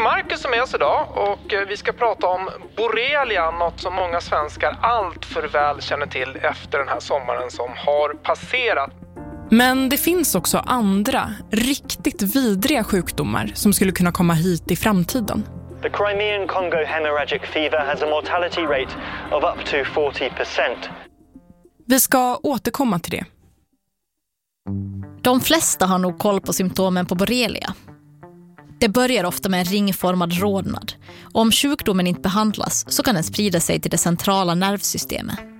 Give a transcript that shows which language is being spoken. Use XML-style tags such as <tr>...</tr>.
<sv>Marcus är med oss idag och vi ska prata om Borrelia, något som många svenskar allt för väl känner till efter den här sommaren som har passerat. Men det finns också andra, riktigt vidriga sjukdomar som skulle kunna komma hit i framtiden.</sv> <en>The Crimean Congo hemorrhagic fever has a mortality rate of up to 40%.</en> <sv>Vi ska återkomma till det. De flesta har nog koll på symptomen på borrelia. Det börjar ofta med en ringformad rodnad. Och om sjukdomen inte behandlas så kan den sprida sig till det centrala nervsystemet.</sv>